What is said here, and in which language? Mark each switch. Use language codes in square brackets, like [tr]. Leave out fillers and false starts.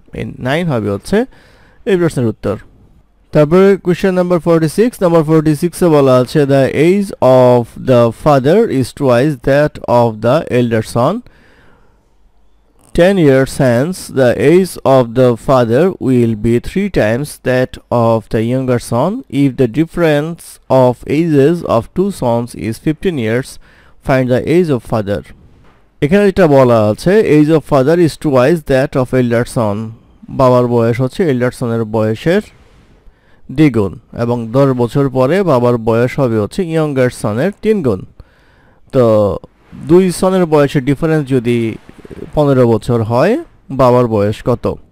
[bn] এই 9 হবে হচ্ছে এই প্রশ্নের উত্তর। তারপরে কোয়েশ্চেন নাম্বার 46 বলা আছে [en] The age of the father is twice that of the elder son, 10 years hence the age of the father will be 3 times that of the younger son. If the difference of ages of two sons is 15 years, find the age of father. [bn] এখানে যেটা বলা আছে, [en] age of father is twice that of elder son, [bn] বাবার বয়স হচ্ছে এল্ডার সনের বয়সের দ্বিগুণ, এবং 10 বছর পরে বাবার বয়স হবে হচ্ছে ইয়ঙ্গার সনের 3 গুণ। তো দুই সনের বয়সের ডিফারেন্স যদি 15 বছর হয়, বাবার বয়স কত?